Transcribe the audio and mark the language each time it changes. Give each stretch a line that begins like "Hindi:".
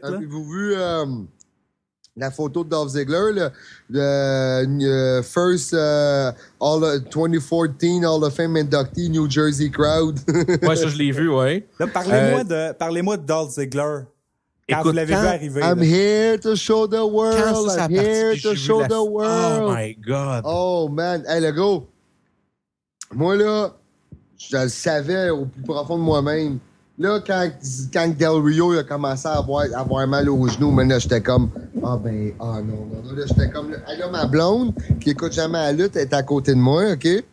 French: Avez-vous vu la photo de Dolph Ziggler, le
English: First 2014 Hall of Fame inductee New Jersey crowd?
French: Ouais, ça, je l'ai vu, ouais. Là, parlez-moi de Dolph Ziggler. Quand vous l'avez vu arriver.
English: I'm here to show the world. I'm here to show the world. Oh my God. Oh man.
French: Hey, le gros. Moi, là, je le savais au plus profond de moi-même. Là, quand Del Rio a commencé à avoir mal aux genoux, mais là, j'étais comme. Ah non. Là, j'étais comme. Là, ma blonde, qui écoute jamais la lutte, est à côté de moi, OK?